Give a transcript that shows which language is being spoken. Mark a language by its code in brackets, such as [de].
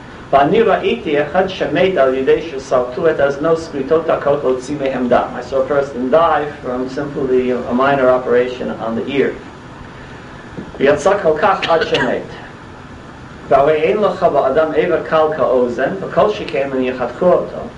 [he] ואני ראיתי אחד שמת על ידי שסרטו את אזנו סריטות דקות להוציא מהם דם. [en] I saw a person die from simply a minor operation on the ear. [he] ויצא כל כך עד שמת. והרי אין לך באדם עבר קל כאוזן, וכל שכן אני יחתכו אותו.